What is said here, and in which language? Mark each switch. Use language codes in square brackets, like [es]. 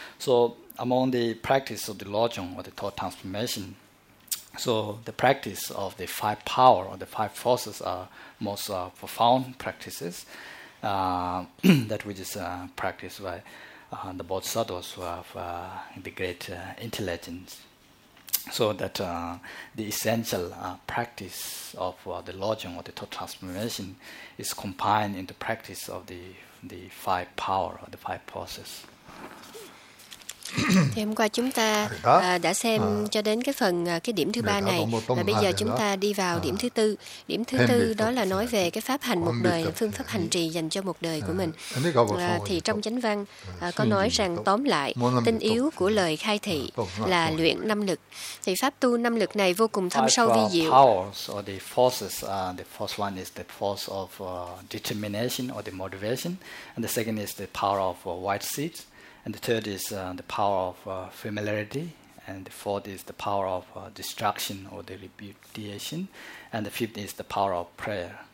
[en] So among the practice of the Lojong or the thought transformation, so the practice of the five power or the five forces are most profound practices that which is practiced by the bodhisattvas who have the great intelligence. So that the essential practice of the Lojong or the thought transformation is combined in the practice of the five power or the five forces. [vi] Thì hôm qua chúng ta đã xem cho đến cái phần cái điểm thứ ba này, và bây giờ chúng ta đi vào điểm thứ tư. Điểm thứ tư đó là nói về cái pháp hành một đời, phương pháp hành trì dành cho một đời của mình. Thì trong chánh văn có nói rằng, tóm lại, tinh yếu của lời khai thị là luyện năm lực. Thì pháp tu năm lực này vô cùng thâm sâu vi diệu. [en] Powers or the forces, the first one is the force of determination or the motivation, and the second is the power of white seed. And the third is the power of familiarity, and the fourth is the power of destruction or the repudiation, and the fifth is the power of prayer.